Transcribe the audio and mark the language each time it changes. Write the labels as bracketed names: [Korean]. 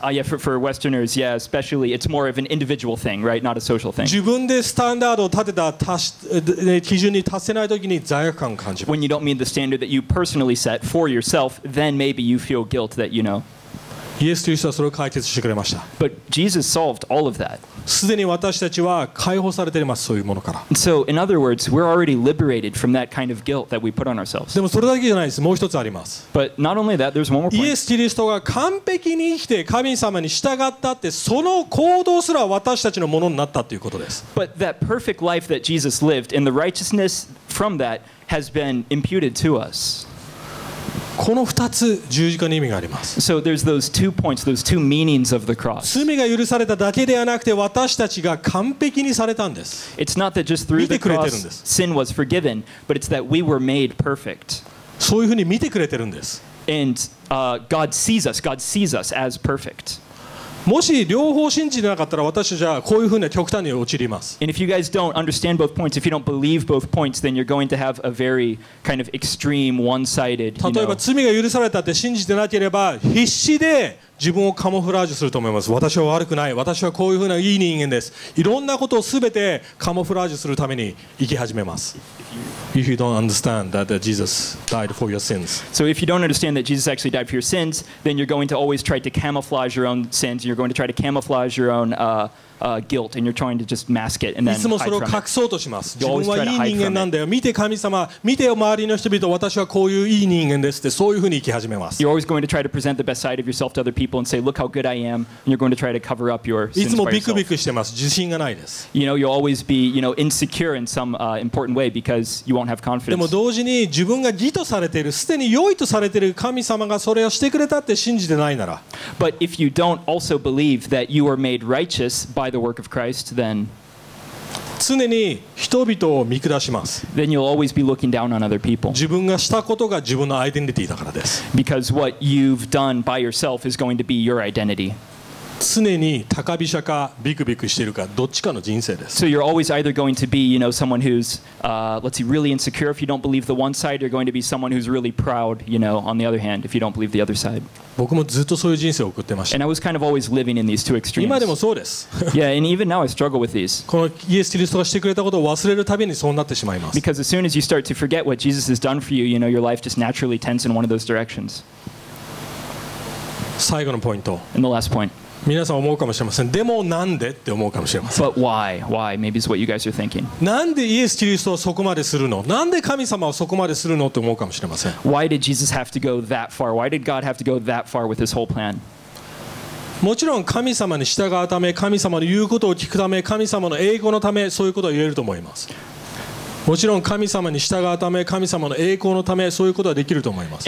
[English] Yeah, for Westerners, yeah, especially, it's more of an individual thing, right? Not a social thing. [Japanese] 自分でスタンダードを立てた基準に達せないときに罪悪感を感じます。 [English] When you don't meet the standard that you personally set for yourself, then maybe you feel guilt that, you know, [Japanese] イエス・キリストはそれを解決してくれました。 [English] But Jesus solved all of that. [Japanese] すでに私たちは解放されています、そういうものから。 [English] So, in other words, we're already liberated from that kind of guilt that we put on ourselves. [Japanese] でもそれだけじゃないです。もう一つあります。 [English] But not only that, there's one more point. [Japanese] イエス・キリストが完璧に生きて神様に従ったって、その行動すら私たちのものになったということです。 [English] But that perfect life that Jesus lived and the righteousness from that has been imputed to us. [Japanese] この2つ十字架の意味があります。 [English] So there's those two points, those two meanings of the cross. [Japanese] 罪が許されただけではなくて、私たちが完璧にされたんです。 [English] It's not that just through the cross sin was forgiven, but it's that we were made perfect. [Japanese] そういうふうに見てくれてるんです。 [English] And God sees us as perfect. [Japanese] もし両方信じてなかったら、私たちはこういうふうな極端に陥ります。 [English] And if you guys don't understand both points, if you don't believe both points, then you're going to have a very kind of extreme one-sided, you know. [Japanese] 例えば罪が許されたって信じてなければ、必死で自分をカモフラージュすると思います。私は悪くない。私はこういうふうないい人間です。いろんなことをすべてカモフラージュするために生き始めます。 [English] If you don't understand that Jesus died for your sins. So if you don't understand that Jesus actually died for your sins, then you're going to always try to camouflage your own sins. You're going to try to camouflage your own guilt, and you're trying to just mask it and then hide from it. [Japanese] いつもそれを隠そうとします。自分はいい人間なんだよ。見て神様、見て周りの人々、私はこういういい人間ですって、そういうふうに生き始めます。 [English] You're always going to try to present the best side of yourself to other people and say, look how good I am. And you're going to try to cover up your sins by yourself. [Japanese] いつもビクビクしてます。自信がないです。 [English] You know, you'll always be, you know, insecure in some important way because you won't have confidence. [Japanese] でも同時に自分が義とされている、すでに良いとされている神様がそれをしてくれたって信じてないなら。 [English] But if you don't also believe that you are made righteous by the work of Christ, then [Japanese] 常に人々を見下します。 [English] Then you'll always be looking down on other people. [Japanese] 自分がしたことが自分のアイデンティティだからです。 [English] Because what you've done by yourself is going to be your identity. [Japanese] 常に高飛車かビクビクしているかどっちかの人生です。 [English] So you're always either going to be, you know, someone who's, let's see, really insecure if you don't believe the one side. You're going to be someone who's really proud, you know, on the other hand, if you don't believe the other side. [Japanese] 僕もずっとそういう人生を送ってました。 [English] And I was kind of always living in these two extremes. [Japanese] 今でもそうです。 [English] Yeah, and even now I struggle with these. [Japanese] このイエス・キリストがしてくれたことを忘れるたびにそうなってしまいます。 [English] Because as soon as you start to forget what Jesus has done for you, you know, your life just naturally tends in one of those directions. [Japanese] 最後のポイント。 [English] And the last point. [Japanese] 皆さん思うかもしれません。でもなんでって思うかもしれません。 [English] But why? Maybe it's what you guys are thinking. [Japanese] なんでイエス・キリストはそこまでするの？なんで神様はそこまでするの？って思うかもしれません。 [English] Why did Jesus have to go that far? Why did God have to go that far with his whole plan? [Japanese] もちろん神様に従うため、神様の言うことを聞くため、神様の栄光のため、そういうことは言えると思います。もちろん神様に従うため、神様の栄光のため、そういうことはできると思います。